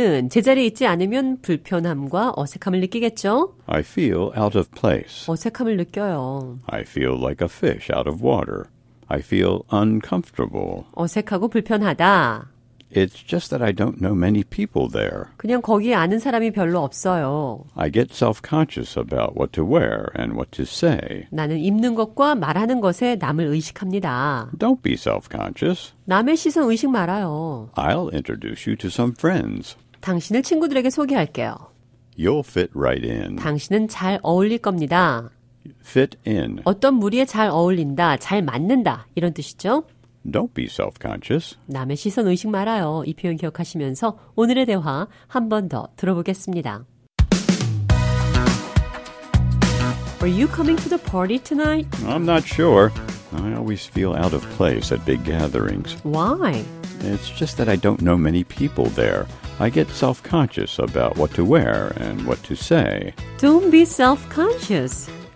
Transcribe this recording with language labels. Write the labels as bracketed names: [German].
[Korean] 제자리에 있지 않으면 불편함과 어색함을 느끼겠죠? [English] I feel out of place. [Korean] 어색함을 느껴요. [English] I feel like a fish out of water. I feel uncomfortable. [Korean] 어색하고 불편하다. [English] It's just that I don't know many people there. [Korean] 그냥 거기에 아는 사람이 별로 없어요. [English] I get self-conscious about what to wear and what to say. [Korean] 나는 입는 것과 말하는 것에 남을 의식합니다. [English] Don't be self-conscious. [Korean] 남의 시선 의식 말아요. [English] I'll introduce you to some friends. [Korean] 당신을 친구들에게 소개할게요. [English] You'll fit right in. [Korean] 당신은 잘 어울릴 겁니다. [English] Fit in. [Korean] 어떤 무리에 잘 어울린다, 잘 맞는다, 이런 뜻이죠. [English] Don't be self-conscious. [Korean] 남의 시선 의식 말아요. 이 표현 기억하시면서 오늘의 대화 한 번 더 들어보겠습니다. [English] Are you coming to the party tonight? I'm not sure. I always feel out of place at big gatherings. Why? It's just that I don't know many people there. I get self-conscious about what to wear and what to say. Don't be self-conscious.